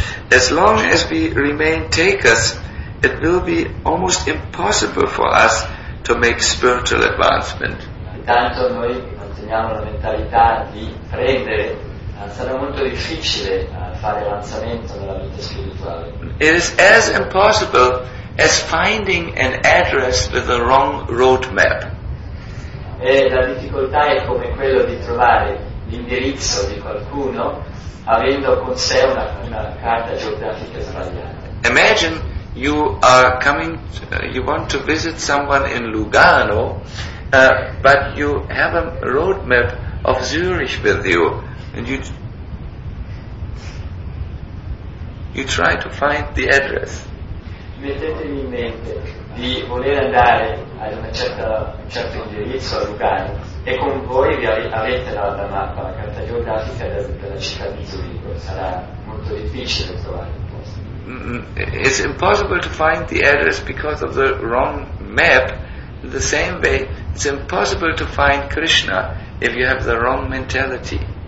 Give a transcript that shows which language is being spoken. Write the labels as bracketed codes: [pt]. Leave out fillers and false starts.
[en] As long as we remain takers, it will be almost impossible for us to make spiritual advancement. [it] Intanto noi manteniamo la mentalità di prendere, sarà molto difficile fare avanzamento nella vita spirituale. [en] It is as impossible as finding an address with the wrong road map. [it] E la difficoltà è come quello di trovare l'indirizzo di qualcuno avendo con sé una carta geografica sbagliata. [en] Imagine you are coming, you want to visit someone in Lugano, but you have a road map of Zurich with you, and you try to find the address. [it] mettetevi in mente di voler andare ad un certo indirizzo a Lugano e con voi avete la mappa, la carta geografica della città di Zurigo, sarà molto difficile trovare. [en] It's impossible to find the address because of the wrong map. In the same way, it's impossible to find Krishna if you have the wrong mentality.